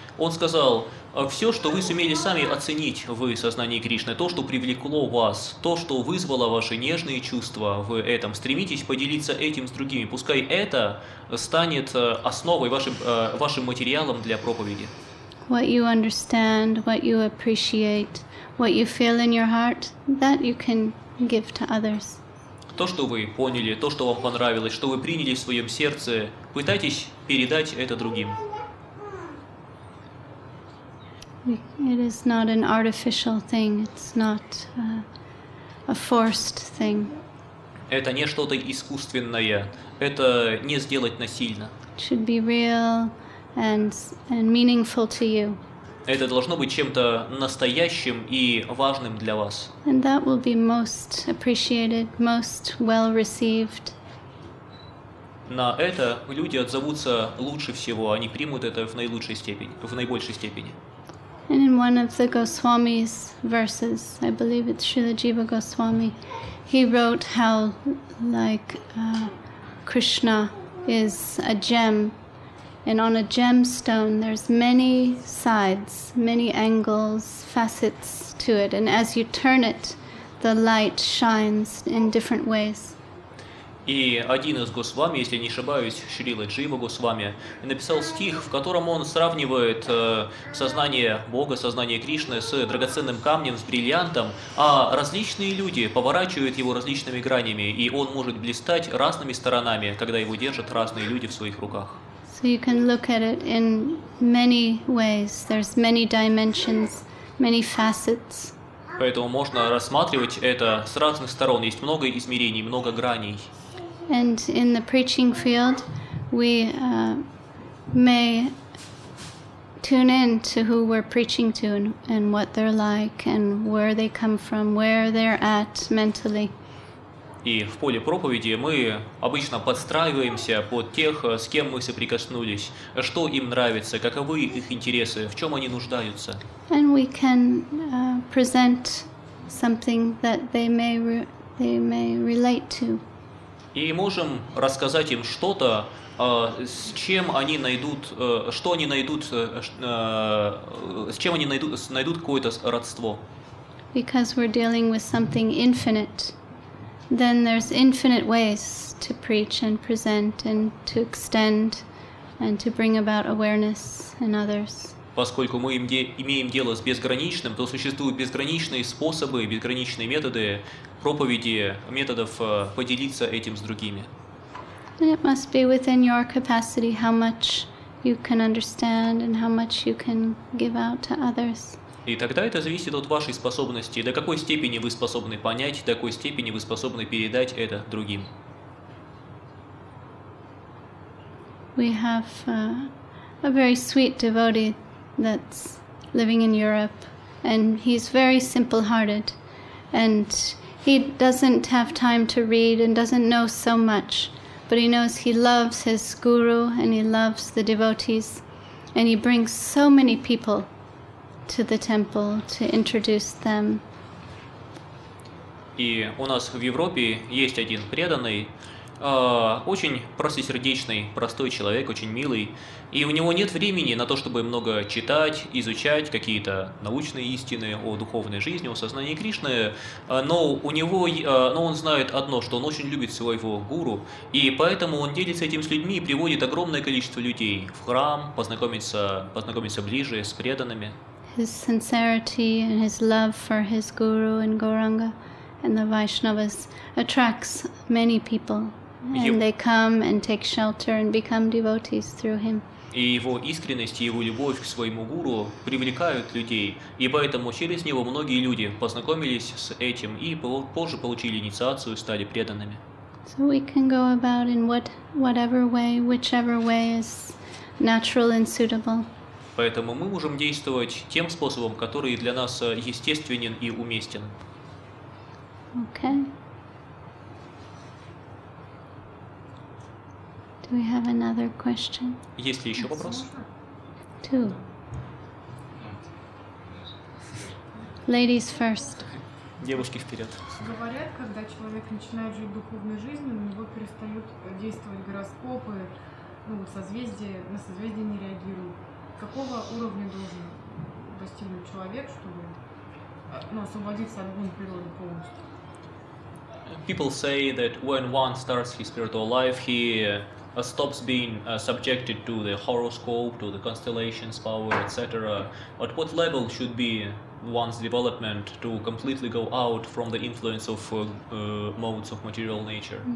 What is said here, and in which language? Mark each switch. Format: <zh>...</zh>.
<ru>Он сказал: «Все, что вы сумели сами оценить в сознании Кришны, то, что привлекло вас, то, что вызвало ваши нежные чувства в этом, стремитесь поделиться этим с другими. Пускай это станет основой, вашим материалом для проповеди».</ru> <en>What you understand, what you appreciate, what you feel in your heart, that you can give to others.</en> <ru>То, что вы поняли, то, что вам понравилось, что вы приняли в своем сердце, пытайтесь передать это другим.</ru> <en>It is not an artificial thing, it's not a forced thing.</en> <ru>Это не что-то искусственное, это не сделать насильно.</ru> <en>It should be real and meaningful to you.</en> <ru>Это должно быть чем-то настоящим и важным для вас.</ru> <en>And that will be most appreciated, most well received.</en> <ru>На это люди отзовутся лучше всего, они примут это в наилучшей степени, в наибольшей степени.</ru> <en>And in one of the Goswami's verses, I believe it's Srila Jiva Goswami, he wrote how like Krishna is a gem. And on a gemstone, there's many sides, many angles, facets to it. And as you turn it, the light shines in different ways.</en> <ru>И один из Госвами, если не ошибаюсь, Шрила Джива Госвами, написал стих, в котором он сравнивает сознание Бога, сознание Кришны с драгоценным камнем, с бриллиантом, а различные люди поворачивают его различными гранями, и он может блистать разными сторонами, когда его держат разные люди в своих руках.</ru> <en>So you can look at it in many ways. There's many dimensions, many facets.</en> <ru>Поэтому можно рассматривать это с разных сторон. Есть много измерений, много граней.</ru> <en>And in the preaching field, we may tune in to who we're preaching to and what they're like and where they come from, where they're at mentally.</en> <ru>И в поле проповеди мы обычно подстраиваемся под тех, с кем мы соприкоснулись, что им нравится, каковы их интересы, в чем они нуждаются.</ru> <en>And we can present something that they may relate to.</en> <ru>И можем рассказать им что-то, с чем они найдут, что они найдут, с чем они найдут какое-то родство.</ru> <en>Because we're dealing with something infinite. Then there's infinite ways to preach and present and to extend and to bring about awareness in others.</en> <ru>Поскольку мы имеем дело с безграничным, то существуют безграничные способы, безграничные методы проповеди, методов поделиться этим с другими.</ru> <en>And it must be within your capacity how much you can understand and how much you can give out to others.</en> <ru>И тогда это зависит от вашей способности, до какой степени вы способны понять, до какой степени вы способны передать это другим.</ru> <en>We have a very sweet devotee that's living in Europe, and he's very simple-hearted, and he doesn't have time to read and doesn't know so much, but he knows he loves his guru and he loves the devotees, and he brings so many people to the temple to introduce them.</en> <ru>И у нас в Европе есть один преданный, очень простосердечный, простой человек, очень милый, и у него нет времени на то, чтобы много читать, изучать какие-то научные истины о духовной жизни, о сознании Кришны, но он знает одно, что он очень любит своего гуру, и поэтому он делится этим с людьми и приводит огромное количество людей в храм, познакомиться ближе с преданными.</ru> <en>His sincerity and his love for his guru and Gauranga and the Vaishnavas attracts many people, and they come and take shelter and become devotees through him.</en> <ru>И его искренность и его любовь к своему гуру привлекают людей, и поэтому через него многие люди познакомились с этим и позже получили инициацию, стали преданными.</ru> <en>So we can go about in whatever way, whichever way is natural and suitable.</en> <ru>Поэтому мы можем действовать тем способом, который для нас естественен и уместен.</ru> <en>Okay. Do we have another question?</en> <ru>Есть ли еще вопрос?</ru> <en>Two. Ladies first.</en> <ru>Девушки вперед. Говорят, когда человек начинает жить духовной жизнью, на него перестают действовать гороскопы, ну, созвездия, на созвездия не реагируют. Какого уровня должен достигнуть человек, чтобы, ну, освободиться от гун природы полностью?</ru> <en>People say that when one starts his spiritual life, he stops being subjected to the horoscope, to the constellations, power, etc. But what level should be one's development to completely go out from the influence of modes of material nature?</en>